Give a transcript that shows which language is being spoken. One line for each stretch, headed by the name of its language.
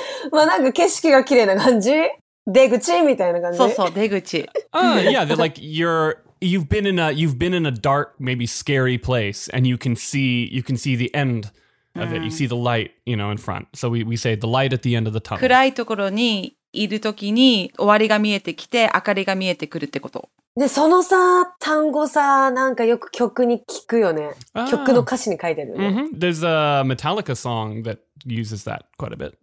Japanese: まあなんか景色が綺麗な感じ。出口みたいな感じ。そうそう、出口。
English: yeah, like you're... You've been in a dark, maybe scary place, and you can see the end of it. You see the light, you know, in front. So we say the light at the end of the tunnel.
Japanese: 暗いところにいるときに終わりが見えてきて明かりが見えてくるってこと。でそのさ単語さなんかよく曲に聞くよね。曲の歌詞に書いてるよね。
English: There's a Metallica song that uses that quite a bit.